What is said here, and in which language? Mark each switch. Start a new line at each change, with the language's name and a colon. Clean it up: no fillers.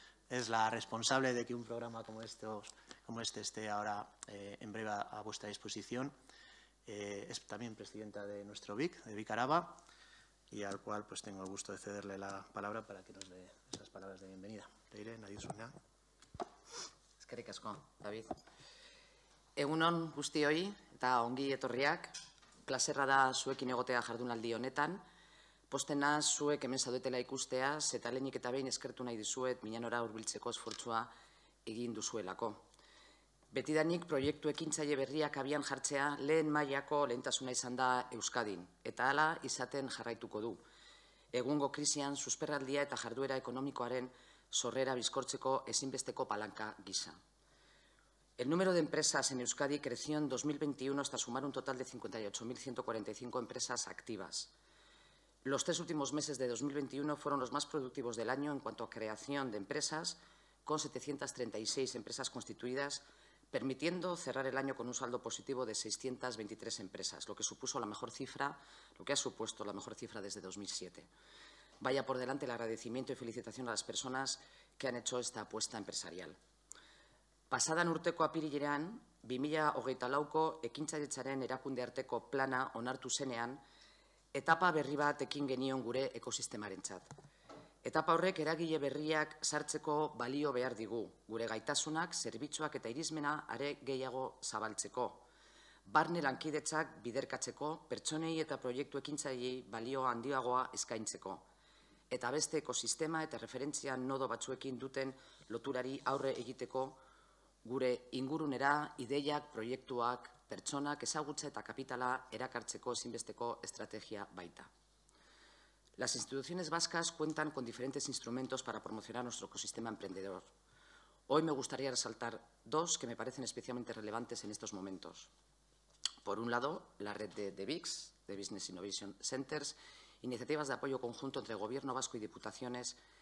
Spanish: Es la responsable de que un programa como este esté ahora en breve a vuestra disposición. Es también presidenta de nuestro BIC, de BIC Araba, y al cual pues tengo el gusto de cederle la palabra para que nos dé esas palabras de bienvenida. Leire, nadie suena.
Basque: Eskerrik asko, David. Egunon guztioi eta ongi etorriak. Plazerra da zuekin egotea jardunaldi honetan. Postena zuek hemen zaudetela ikusteaz eta lehenik eta behin eskertu nahi dizuet Miñanora hurbiltzeko esfortzua egin duzuelako. Betidanik proiektu ekintzaile berriak abian jartzea lehen mailako lehentasuna izan da Euskadin, eta hala izaten jarraituko du. Egungo krisian susperraldia eta jarduera ekonomikoaren sorrera bizkortzeko ezinbesteko palanka gisa.
Spanish: El número de empresas en Euskadi creció en 2021 hasta sumar un total de 58.145 empresas activas. Los 3 últimos meses de 2021 fueron los más productivos del año en cuanto a creación de empresas, con 736 empresas constituidas, permitiendo cerrar el año con un saldo positivo de 623 empresas, lo que ha supuesto la mejor cifra desde 2007. Vaya por delante el agradecimiento y felicitación a las personas que han hecho esta apuesta empresarial.
Basque: Pasadan urteko apirilean, 2024ko ekintzaietzaren erakunde arteko plana onartu zenean, etapa berri bat ekin genion gure ekosistemarentzat. Etapa horrek eragile berriak sartzeko balio behar digu, gure gaitasunak, zerbitzuak eta irizmena are gehiago zabaltzeko. Barne lankidetzak biderkatzeko, pertsonei eta proiektu ekintzailei balio handiagoa eskaintzeko. Eta beste ekosistema eta referentzia nodo batzuekin duten loturari aurre egiteko, gure ingurunera, ideiak, proiektuak, pertsonak, ezagutza eta kapitala erakartzeko ezinbesteko estrategia baita.
Spanish: Las instituciones vascas cuentan con diferentes instrumentos para promocionar nuestro ecosistema emprendedor. Hoy me gustaría resaltar 2 que me parecen especialmente relevantes en estos momentos. Por un lado, la red de BICS, de Business Innovation Centers, iniciativas de apoyo conjunto entre Gobierno Vasco y Diputaciones